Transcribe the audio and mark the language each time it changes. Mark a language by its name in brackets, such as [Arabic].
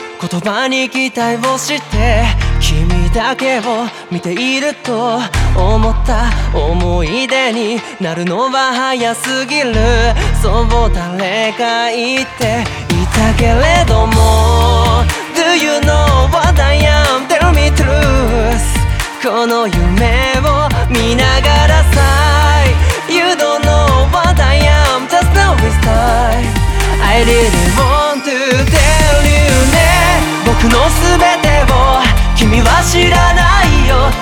[Japanese] 言葉に期待をして、君だけを見ていると思った。思い出になるのは早すぎる。そう誰か言っていたけれども、 [English] Do you know what I am? Tell me truth。 [Japanese] この夢を見ながらさ、 [English] You don't know what I am? Just know it's time。 I really want to tell you ね。 [Japanese] 僕の全てを君は知らないよ。